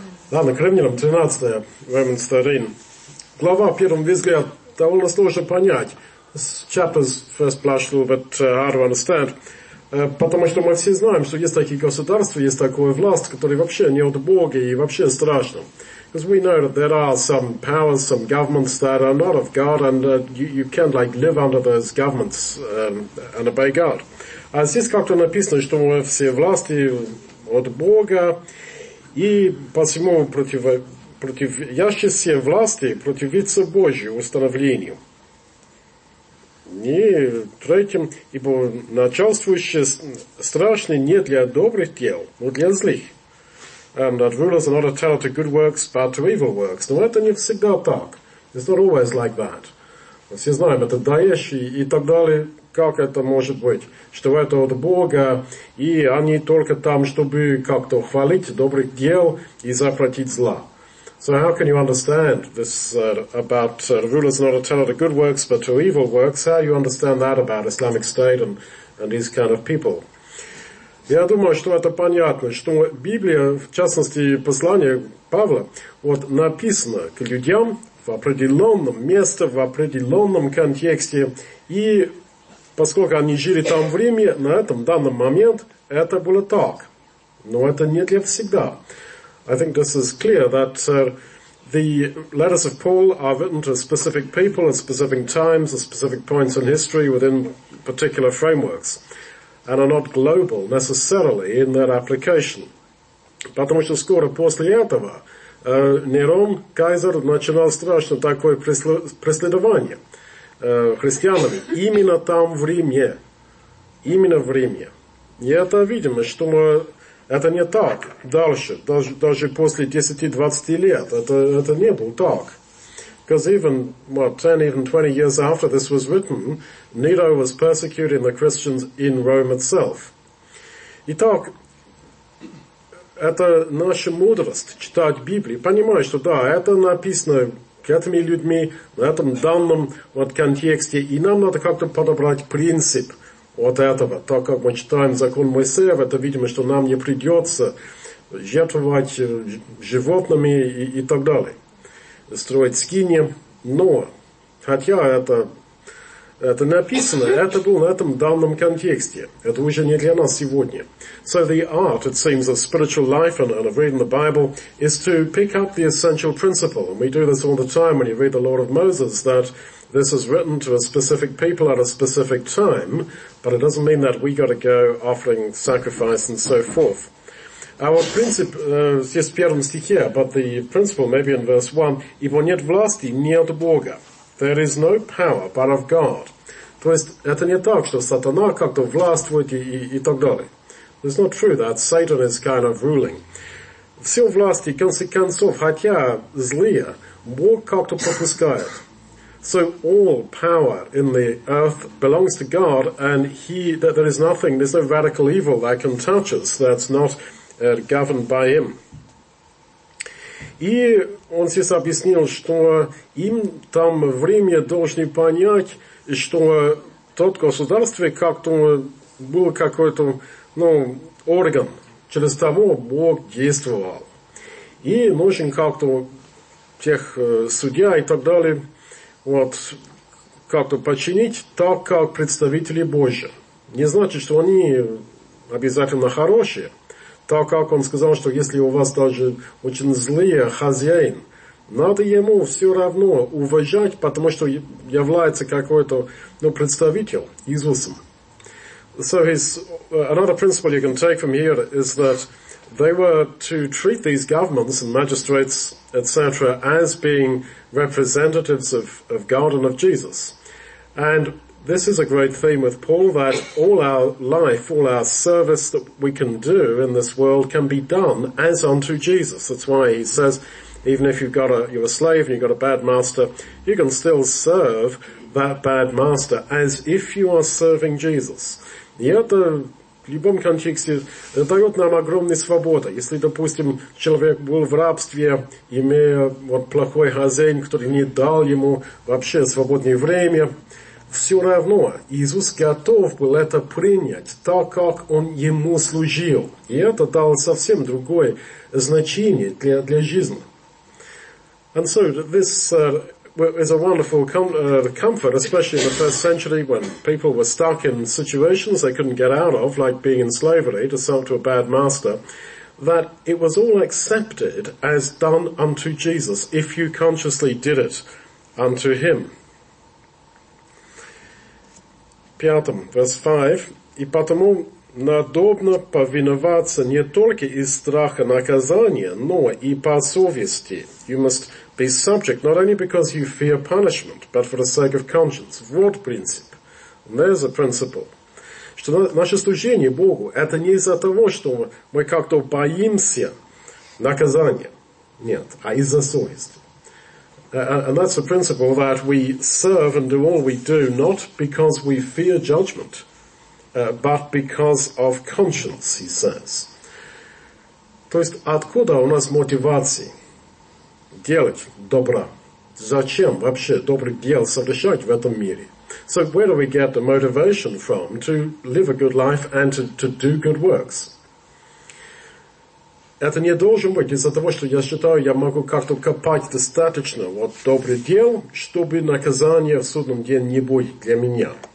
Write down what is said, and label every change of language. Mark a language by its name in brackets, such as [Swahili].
[Russian] Ладно, к римлянам, 13-я, Вемонстер Рин. Глава, первым визгая, довольно сложно понять. [English] Чапес фэсплашлу бет арванстэнд. [Russian] Потому что мы все знаем, что есть такие государства, есть такая власть, которая вообще не от Бога и вообще страшна. [English] Because we know that there are some powers, some governments that are not of God, and you can't like live under those governments and obey God. [Russian] А здесь как-то написано, что мы все власти от Бога, и посему против яще все власти противиться Божию установлению. И третьим, ибо начальствующие страшны не для добрых дел, но для злых. [English] And that rulers are not a terror to good works, but to evil works. [Russian] Но это не всегда так. [English] It's not always like that. [Russian] Все знаем, это Даеш и так далее. Как это может быть? Что это от Бога, и они только там, чтобы как-то хвалить добрых дел и запретить зла. [English] So how can you understand this about rulers are not a terror to good works, but to evil works? How do you understand that about Islamic State and these kind of people? [Russian] Я думаю, что это понятно, что Библия, в частности, послание Павла, вот написано к людям в определенном месте, в определенном контексте, и поскольку они жили там в Риме, на этом данном момент это было так. Но это не для всегда. [English] I think this is clear that the letters of Paul are written to specific people at specific times, at specific points in history within particular frameworks. And are not global necessarily in their application. [Russian] Потому что скоро после этого Нерон, кайзер, начинал страшно такое преследование христианами именно там в Риме. Именно в Риме. И это видимо, что мы, это не так дальше, даже после 10-20 лет. Это не было так. [English] Because even, well, 10, even 20 years after this was written, Nero was persecuting the Christians in Rome itself. [Russian] Итак, это наша мудрость, читать Библию. Понимаю, что да, это написано к этими людьми, на этом данном вот контексте, и нам надо как-то подобрать принцип вот этого. Так как мы читаем закон Моисеев, это видимо, что нам не придется жертвовать животными и так далее. Строить скинии, но хотя это написано, это было на этом данном контексте. Это уже не для нас сегодня. [English] So the art, it seems, of spiritual life and of reading the Bible is to pick up the essential principle. And we do this all the time when you read the Law of Moses, that this is written to a specific people at a specific time, but it doesn't mean that we got to go offering sacrifice and so forth. Our [Russian] принцип здесь в первом стихе, [English] but the principle maybe in verse 1, [Russian] ибо нет власти ни от Бога. [English] There is no power but of God. [Russian] То есть это не так, что сатана как-то властвует и так далее. [English] It's not true that Satan is kind of ruling. [Russian] Все власти, в конце концов, хотя злые, Бог как-то пропускает. [English] So all power in the earth belongs to God, and there is nothing, there's no radical evil that can touch us that's not governed by him. [Russian] И он здесь объяснил, что им там в Риме должны понять, что тот государство как-то был какой-то, ну, орган, через того Бог действовал. И нужен как-то тех судья и так далее, вот, как-то подчинить так, как представители Божьи. Не значит, что они обязательно хорошие. Так как он сказал, что если у вас даже очень злые хозяин, надо ему все равно уважать, потому что является какой-то, ну, представитель Иисусом. [English] So another principle you can take from here is that they were to treat these governments and magistrates, etc., as being representatives of God and of Jesus. And this is a great theme with Paul, that all our life, all our service that we can do in this world can be done as unto Jesus. That's why he says, even if you've got you're a slave and you've got a bad master, you can still serve that bad master as if you are serving Jesus. [Russian] И это в любом контексте дает нам огромную свободу. Если, допустим, человек был в рабстве, имея вот плохой хозяин, который не дал ему вообще свободное время, все равно Иисус готов был это принять, так как Он Ему служил. И это дало совсем другое значение для, для жизни. [English] And so this is a wonderful comfort, especially in the first century when people were stuck in situations they couldn't get out of, like being in slavery to sell to a bad master, that it was all accepted as done unto Jesus, if you consciously did it unto Him. [Russian] Пятом, [English] verse 5. [Russian] «И потому надобно повиноваться не только из страха наказания, но и по совести». [English] You must be subject not only because you fear punishment, but for the sake of conscience. [Russian] Вот принцип. [English] And there's a principle. [Russian] Что наше служение Богу – это не из-за того, что мы как-то боимся наказания. Нет, а из-за совести. [English] And that's the principle that we serve and do all we do not because we fear judgment, but because of conscience, he says. [Russian] То есть, откуда у нас мотивация делать добро? Зачем вообще добрые дела совершать в этом мире? [English] So where do we get the motivation from to live a good life and to do good works? [Russian] Это не должен быть из-за того, что я считаю, я могу как-то копать достаточно вот добрых дел, чтобы наказание в судном день не будет для меня.